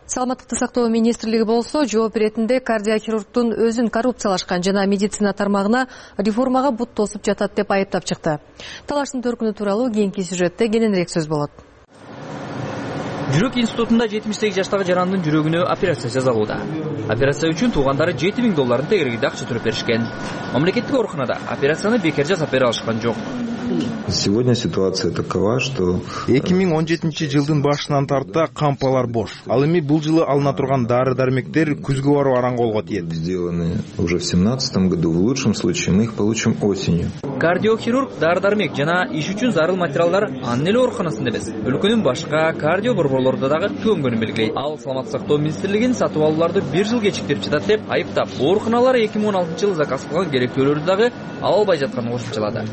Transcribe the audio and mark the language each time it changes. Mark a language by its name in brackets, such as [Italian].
[Kyrgyz] Саламаттыкты сактоо министрлиги болсо жооп иретинде кардиохирургтун өзүн коррупциялашкан жана медицина тармагына реформага бут тосуп жатат деп айыптап чыкты. Талаштын төркүнү тууралуу кийинки сюжетте кененирээк сөз болот. Жүрөк институтунда 78 жаштагы жарандын жүрөгүнө операция жасалууда. Операция үчүн туугандары 7000 долларын тегерегинде акча төлөп беришкен. Мамлекеттик ооруканада операцияны бекер жасап бере алышкан жок. [Russian] Сегодня ситуация такова, что [Kyrgyz] 2017 жылдын башынан тарта кампалар бош. Ал эми бул жылы алына турган дары-дармектер күзгө барып араң колго тиет. [Russian] Сделаны уже в 17 году, в лучшем случае мы их получим осенью. [Kyrgyz] Кардиохирург, дары-дармек жана иш үчүн зарыл материалдар анын эле ооруканасында эмес. Өлкөнүн башка кардио борборлордо дагы көмгөнүн белгилейт. Ал саламат сактоо министрлигин сатып алууларды бир жыл кечиктирип жатат деп айыптап, ооруканалар 2016 жылы заказ кылган керектөөлөрдү дагы ала албай жатканын кошумчалады.